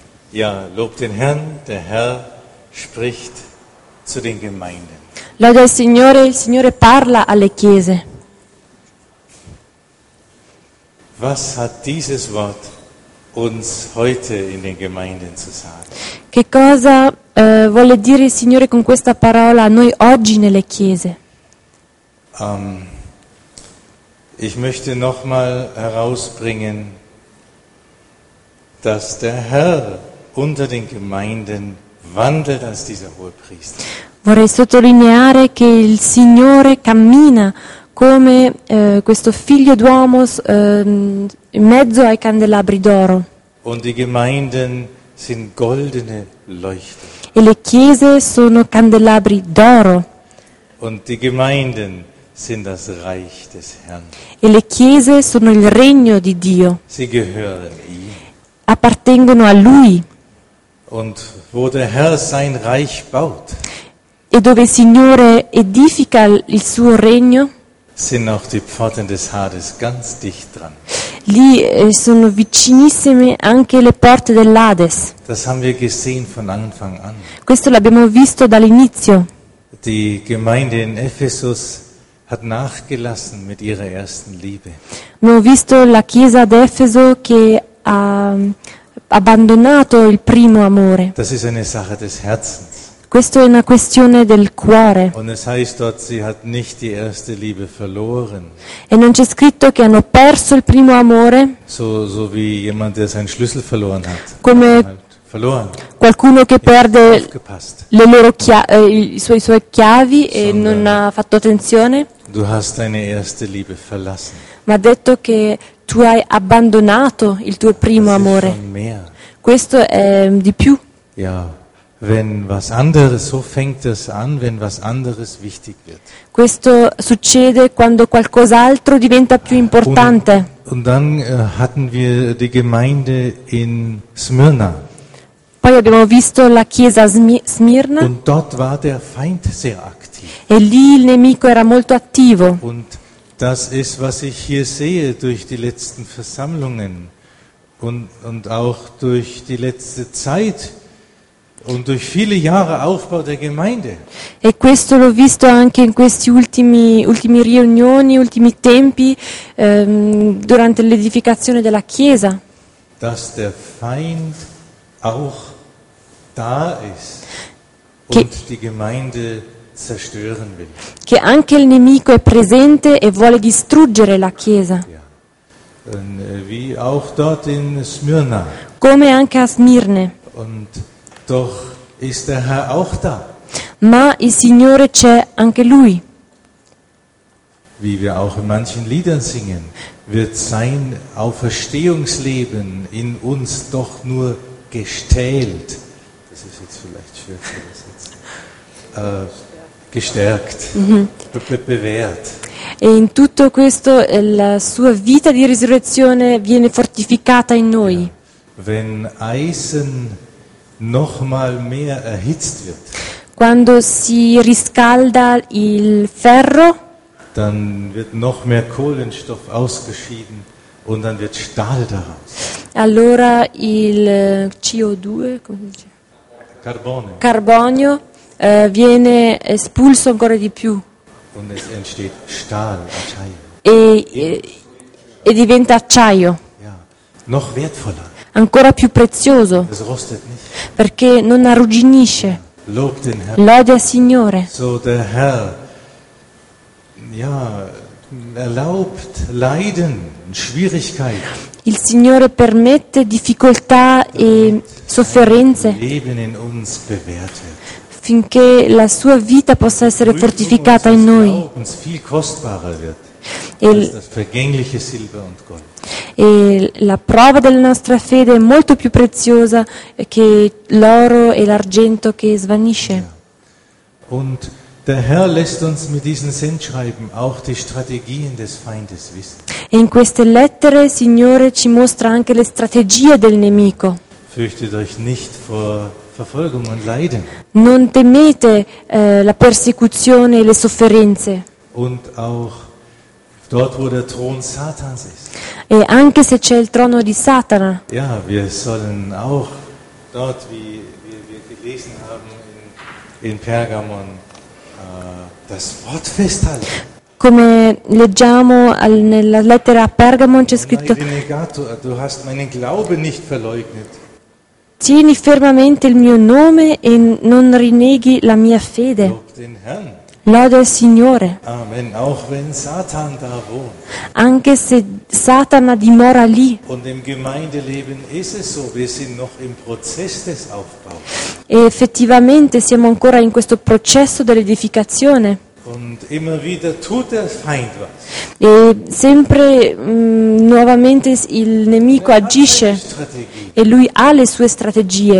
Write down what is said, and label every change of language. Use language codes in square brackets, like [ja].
[de] Ja, lobt den Herrn, der Herr spricht zu den Gemeinden. [it] Lode il Signore parla alle chiese. [de] Was hat dieses Wort uns heute in den Gemeinden zu sagen? [it] Che cosa vuole dire il Signore con questa parola a noi oggi nelle chiese? [de] Ich möchte nochmal herausbringen, dass der Herr unter den Gemeinden wandelt als dieser Hohepriester. [it] Vorrei sottolineare che il Signore cammina come questo figlio d'uomo in mezzo ai candelabri d'oro. [de] Und die Gemeinden sind goldene Leuchter. [it] E le chiese sono candelabri d'oro. [de] Und die Gemeinden sind das Reich des Herrn. [it] E le chiese sono il regno di Dio. [de] Sie gehören ihm. [it] Appartengono a lui. [de] Und wo der Herr sein Reich baut. [it] E dove il Signore edifica il suo regno. [de] Sind auch die Pforten des Hades ganz dicht dran. [it] Lì sono vicinissime anche le porte dell'Hades. [de] Das haben wir gesehen von Anfang an. [it] Questo l'abbiamo visto dall'inizio. [de] Die Gemeinde in Ephesus hat nachgelassen mit ihrer ersten Liebe. [it] Abbiamo visto la chiesa ad Efeso che ha abbandonato il primo amore. [de] Das ist eine Sache des Herzens. [it] Questo è una questione del cuore. [de] Und es heißt dort, sie hat nicht die erste Liebe verloren. [it] E non c'è scritto che hanno perso il primo amore. [de] So wie jemand, der seinen Schlüssel verloren hat. [it] Come [de] verloren. [it] Qualcuno che perde le loro i suoi chiavi e non ha fatto attenzione. [de] Du hast deine erste Liebe verlassen. [it] Ma ha detto che tu hai abbandonato il tuo primo amore. Questo è di più. [de] Ja. Wenn was anderes, so fängt es an, wenn was anderes wichtig wird. [it] Questo succede quando qualcos'altro diventa più importante. [de] Und dann hatten wir die Gemeinde in Smyrna. [it] Poi abbiamo visto la chiesa Smirna. [de] Und dort war der Feind sehr aktiv. [it] E lì il nemico era molto attivo. [de] Und das ist, was ich hier sehe durch die letzten Versammlungen und auch durch die letzte Zeit. Und durch viele Jahre Aufbau der Gemeinde. [it] E questo l'ho visto anche in questi ultimi riunioni, ultimi tempi, durante l'edificazione della Chiesa. [de] Dass der Feind auch da ist und die Gemeinde zerstören will. [it] Che anche il nemico è presente e vuole distruggere la Chiesa. [de] Ja. Wie auch dort in Smyrna. [it] Come anche a Smirne. [de] Und doch ist der Herr auch da. [it] Ma il Signore c'è anche lui. [de] Wie wir auch in manchen Liedern singen, wird sein Auferstehungsleben in uns doch nur gestählt. Das ist jetzt vielleicht schwer zu übersetzen. Gestärkt. Bewährt. [it] E in tutto questo la sua vita di risurrezione viene fortificata in noi. [de] Ja. Wenn Eisen noch mal mehr erhitzt wird. [it] Quando si riscalda il ferro, [de] dann wird noch mehr Kohlenstoff ausgeschieden und dann wird Stahl daraus. [it] Allora il CO2, come si dice? Carbonio viene espulso ancora di più. [de] Und es entsteht Stahl, Acciaio. [it] E diventa acciaio. [de] Ja, noch wertvoller. [it] Ancora più prezioso, [de] es rostet nicht. [it] Perché non arrugginisce. [de] Lob den Herrn. [it] Lode al Signore. [de] So der Herr, ja, erlaubt Leiden, Schwierigkeiten. [it] Il Signore permette difficoltà e sofferenze. [de] Leben in uns bewährte. [it] Finché la sua vita possa essere fortificata in noi. [de] Uns viel kostbarer wird. Als das vergängliche Silber und Gold. [it] E la prova della nostra fede è molto più preziosa che l'oro e l'argento che svanisce. [de] Und der Herr lässt uns mit diesen Sendschreiben auch die Strategien des Feindes wissen. [it] E in queste lettere il Signore ci mostra anche le strategie del nemico. [de] Fürchtet euch nicht vor Verfolgung und Leiden. [it] Non temete la persecuzione e le sofferenze. [de] Und auch dort, wo der Thron Satans ist. [it] E anche se c'è il trono di Satana. [de] Ja, wir sollen auch dort, wie wir gelesen haben in Pergamon, das Wort festhalten. [it] Come leggiamo nella lettera a Pergamon, c'è scritto: [de] Negato, du hast meinen Glauben nicht verleugnet. [it] Tieni fermamente il mio nome e non rineghi la mia fede. Lode il Signore. Amen. [de] Auch wenn Satan da wohnt. [it] Anche se Satana dimora lì. [de] Und im Gemeindeleben ist es so, wir sind noch im Prozess des Aufbaus. [it] E effettivamente siamo ancora in questo processo dell'edificazione. [de] Und immer wieder tut der Feind was. [it] E sempre nuovamente il nemico agisce e lui ha le sue strategie.